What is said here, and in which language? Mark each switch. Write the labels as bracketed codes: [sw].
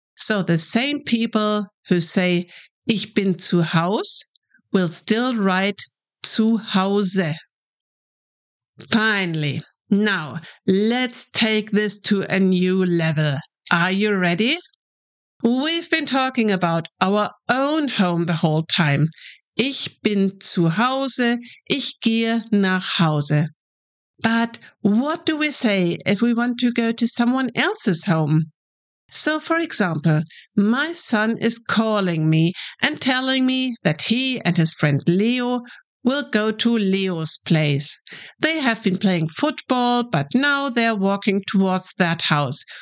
[en] So the same people who say, [de] ich bin zu Haus, [en] will still write [de] zu Hause. [en] Finally, now let's take this to a new level. Are you ready? We've been talking about our own home the whole time. [de] Ich bin zu Hause, ich gehe nach Hause. [en] But what do we say if we want to go to someone else's home? So, for example, my son is calling me and telling me that he and his friend Leo will go to Leo's place. They have been playing football, but now they're walking towards that house.